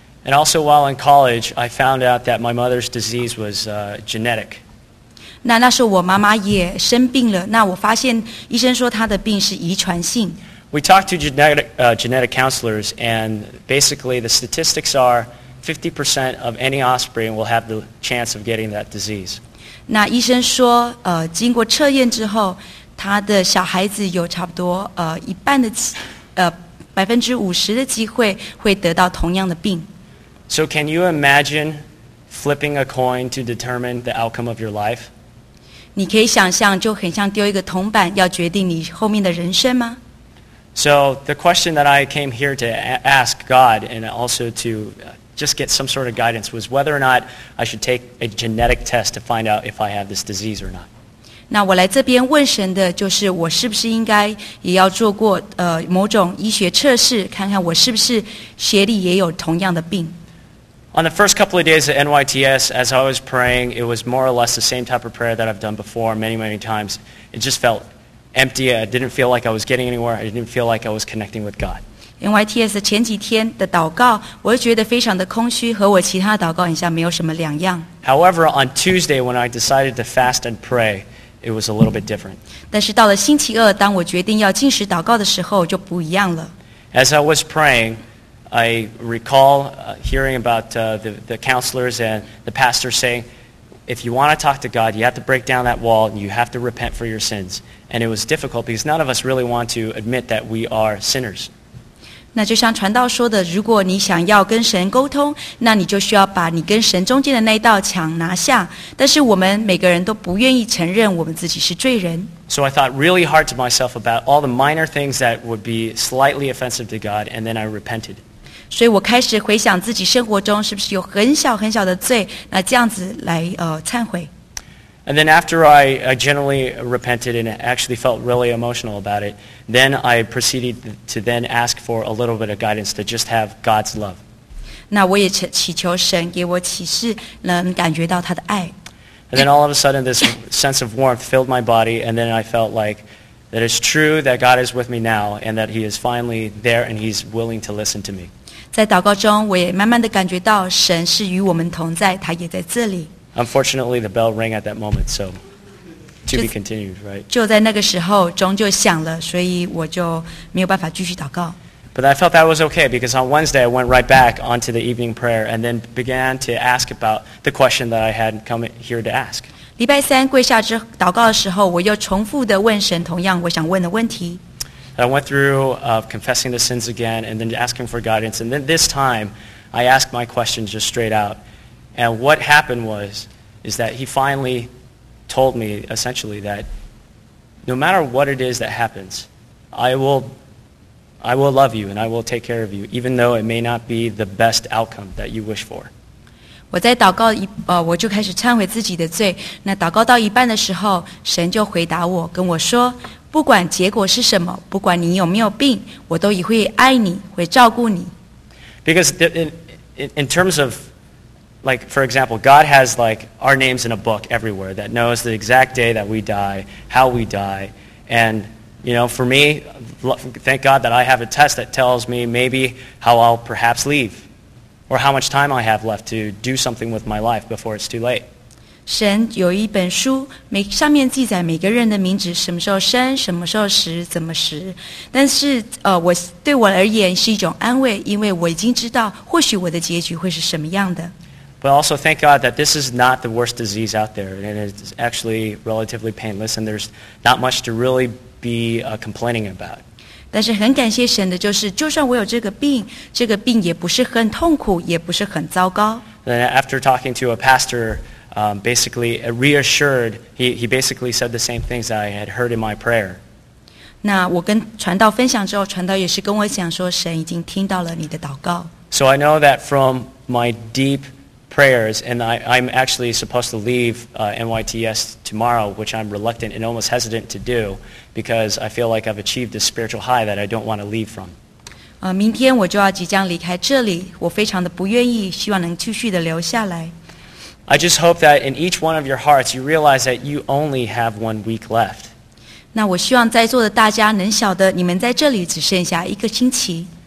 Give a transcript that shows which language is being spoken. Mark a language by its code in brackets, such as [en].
[en] And also while in college, I found out that my mother's disease was genetic. [zh] 那时候我妈妈也生病了，那我发现医生说她的病是遗传性。 [en] We talked to genetic counselors, and basically the statistics are. 50% of any offspring will have the chance of getting that disease. [zh] 那医生说，经过测验之后，他的小孩子有差不多一半的50%的机会会得到同样的病。 [en] So can you imagine flipping a coin to determine the outcome of your life? [zh] 你可以想象，就很像丢一个铜板，要决定你后面的人生吗？ [en] So the question that I came here to ask God and also to just get some sort of guidance was whether or not I should take a genetic test to find out if I have this disease or not. [zh] 那我来这边问神的就是我是不是应该也要做过某种医学测试，看看我是不是血里也有同样的病。 [en] On the first couple of days at NYTS, as I was praying, it was more or less the same type of prayer that I've done before many, many times. It just felt empty. I didn't feel like I was getting anywhere. I didn't feel like I was connecting with God. [zh] NYTS 前几天的祷告，我就觉得非常的空虚，和我其他的祷告很像，没有什么两样。 [en] However, on Tuesday, when I decided to fast and pray, it was a little bit different. [zh] 但是到了星期二，当我决定要禁食祷告的时候，就不一样了。 [en] As I was praying, I recall hearing about the counselors and the pastor saying, if you want to talk to God, you have to break down that wall and you have to repent for your sins. And it was difficult because none of us really want to admit that we are sinners. [zh] 那就像传道说的，如果你想要跟神沟通，那你就需要把你跟神中间的那一道墙拿下。但是我们每个人都不愿意承认我们自己是罪人。 [en] So I thought really hard to myself about all the minor things that would be slightly offensive to God, and then I repented. [zh] 所以我开始回想自己生活中是不是有很小很小的罪，那这样子来忏悔。 [en] And then after I genuinely repented and actually felt really emotional about it, then I proceeded to then ask for a little bit of guidance to just have God's love. [zh] 那我也祈求神给我启示，能感觉到他的爱。 [en] And then all of a sudden this sense of warmth filled my body, and then I felt like that it's true that God is with me now, and that he is finally there and he's willing to listen to me. [zh] 在祷告中我也慢慢地感觉到神是与我们同在，他也在这里。 [en] Unfortunately, the bell rang at that moment, so to be continued, right? [zh] 就在那个时候钟就响了，所以我就没有办法继续祷告。 [en] But I felt that was okay, because on Wednesday, I went right back onto the evening prayer and then began to ask about the question that I had come here to ask. [zh] 礼拜三跪下之祷告的时候，我又重复地问神同样我想问的问题。 [en] I went through confessing the sins again and then asking for guidance. And then this time, I asked my question just straight out. And what happened was, is that he finally told me, essentially, that no matter what it is that happens, I will love you and I will take care of you, even though it may not be the best outcome that you wish for. [zh] 我在祷告我就开始忏悔自己的罪。那祷告到一半的时候，神就回答我，跟我说，不管结果是什么，不管你有没有病，我都会爱你，会照顾你。 [en] Because in terms of, like, for example, God has, like, our names in a book everywhere that knows the exact day that we die, how we die, and, you know, for me, thank God that I have a test that tells me maybe how I'll perhaps leave, or how much time I have left to do something with my life before it's too late. [zh] 神有一本书，上面记载每个人的名字，什么时候生，什么时候死，怎么死。但是我对我而言是一种安慰，因为我已经知道或许我的结局会是什么样的。 [en] But also thank God that this is not the worst disease out there, and it's actually relatively painless, and there's not much to really be complaining about. [zh] 但是很感谢神的就是，就算我有这个病，这个病也不是很痛苦，也不是很糟糕。 [en] Then after talking to a pastor, basically reassured, he basically said the same things that I had heard in my prayer. [zh] 那我跟传道分享之后，传道也是跟我讲说，神已经听到了你的祷告。 [en] So I know that from my deep prayers, and I'm actually supposed to leave NYTS tomorrow, which I'm reluctant and almost hesitant to do, because I feel like I've achieved a spiritual high that I don't want to leave from. [zh] 明天我就要即将离开这里，我非常的不愿意，希望能继续的留下来。 [en] I just hope that in each one of your hearts, you realize that you only have 1 week left. [zh] 那我希望在座的大家能晓得，你们在这里只剩下一个星期。